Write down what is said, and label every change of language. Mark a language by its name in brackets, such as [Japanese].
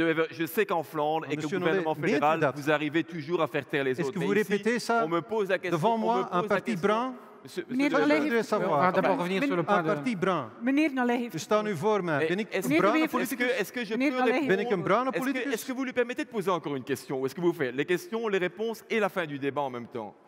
[French] Je sais qu'en Flandre et que le gouvernement fédéral, vous arrivez toujours à faire taire les autres. Est-ce que vous répétez ça devant moi, un parti brun? [Dutch] Meneer Nollet heeft... [French] On va d'abord revenir sur le point de... Un parti brun. [Dutch] Meneer Nollet heeft... Je sta nu voor mij. Ben ik een bruine politicus? Ben ik een bruine politicus? [French] Est-ce que vous lui permettez de poser encore une question? Ou est-ce que vous faites les questions, les réponses et la fin du débat en même temps?